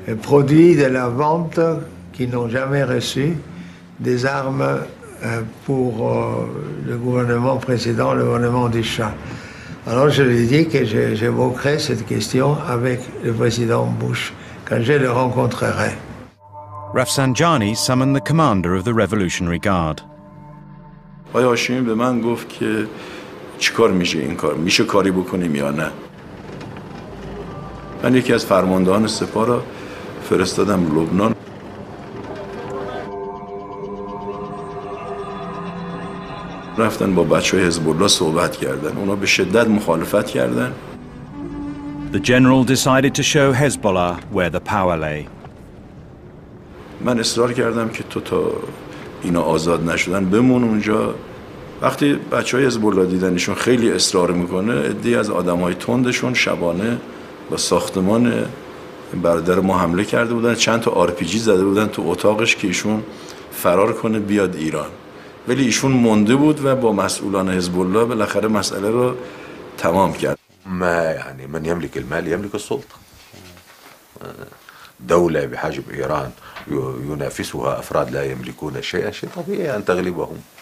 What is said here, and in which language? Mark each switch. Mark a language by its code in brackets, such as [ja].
[fr] Produits de la vente qu'ils n'ont jamais reçu, des armes pour le gouvernement précédent, le gouvernement du Shah. Alors je lui ai dit que j'évoquerai cette question avec le président Bush quand je le rencontrerai. [en] Rafsanjani summoned the commander of the Revolutionary Guard. [fa] آقای هاشمی به من گفت که چی کار میشه این کار؟ میشه کاری بکنیم یا نه؟ من یکی از فرماندهان سپاه را فرستادم لبنان. رفتن با بچه حزب الله صحبت کردن. اونا به شدت مخالفت کردن. The general decided to show Hezbollah where the power lay. من اصرار کردم که تو تا اینا آزاد نشدن بمون اونجا. وقتی بچه حزب الله دیدنشون خیلی اصرار میکنه، عده‌ای از آدمای تندشون شبانه با ساختمان برادر ما حمله کرده بودن، چند تا RPG زده بودن تو اتاقش که ایشون فرار کنه بیاد ایران. ولی ایشون مونده بود و با مسئولان حزب الله بالاخره مسئله رو تمام کرد. [ar] ما یعنی من یملک المال یملک السلطه. دوله بحجب ایران ينافسها افراد لا يملكون شيئا شيء طبيعي ان تغلبهم.